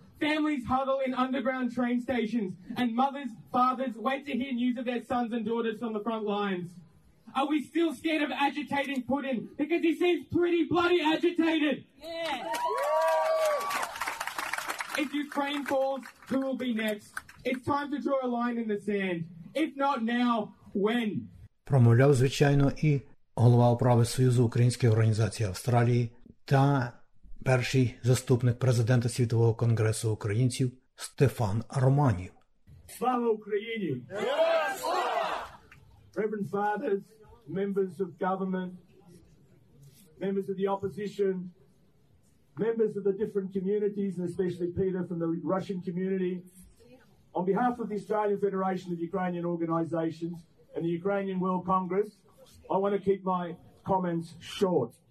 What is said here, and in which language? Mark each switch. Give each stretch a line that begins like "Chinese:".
English: Families huddle in underground train stations, and mothers, fathers wait to hear news of their sons and daughters from the front lines. Are we still scared of agitating Putin? Because he seems pretty bloody agitated. Yeah. If Ukraine falls, who will be next? It's time to draw a line in the sand. If not now, when?
Ukrainian: промовляв, звичайно, і голова управи Союзу Української організації Австралії та перший заступник президента Світового конгресу українців Стефан Романів. Слава Україні!
English: Reverend Fathers, members of government, members of the opposition, members of the different communities, and especially Peter from the Russian community, on behalf of the Australian Federation of Ukrainian Organizations and the Ukrainian World Congress, I want to keep my comments short.